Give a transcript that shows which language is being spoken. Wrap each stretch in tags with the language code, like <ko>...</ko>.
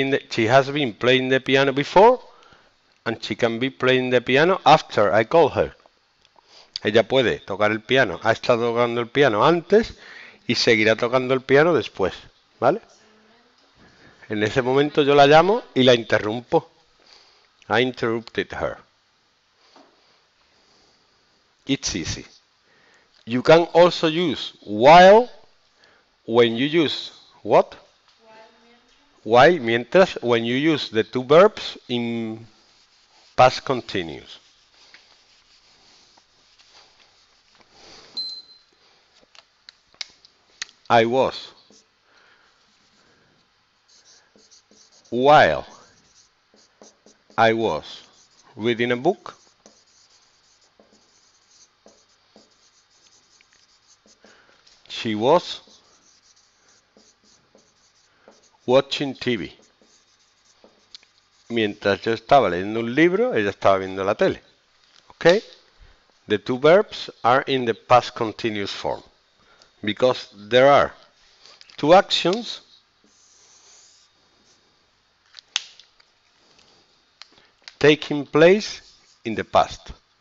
<en>She has been playing the piano before and she can be playing the piano after I call her.</en> <es>Ella puede tocar el piano. Ha estado tocando el piano antes y seguirá tocando el piano después. ¿Vale? En ese momento yo la llamo y la interrumpo.</es> <en>I interrupted her. It's easy. You can also use while when you use what? While, mientras, when you use the two verbs in past continuous. I was. While I was reading a book, she was watching TV.</en> <es>Mientras yo estaba leyendo un libro, ella estaba viendo la tele.</es> <en>Okay? The two verbs are in the past continuous form because there are two actions taking place in the past.</en>